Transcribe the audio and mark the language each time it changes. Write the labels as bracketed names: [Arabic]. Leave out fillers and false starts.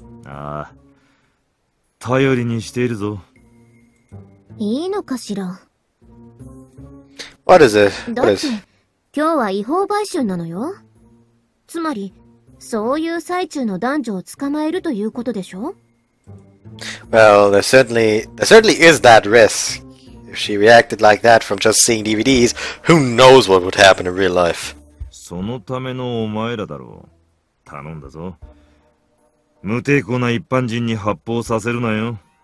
[Japanese] ああ、頼りにしているぞ。いいのかしら。 [English] What is it? [Japanese] だって今日は違法売春なのよ。つまり、そういう最中の男女を捕まえるということでしょ？ [English] Well, there certainly is that risk. If she reacted like that from just seeing DVDs, who knows what would happen in real life. [Japanese] そのためのお前らだろう。頼んだぞ。無抵抗な一般人に発砲させるなよ。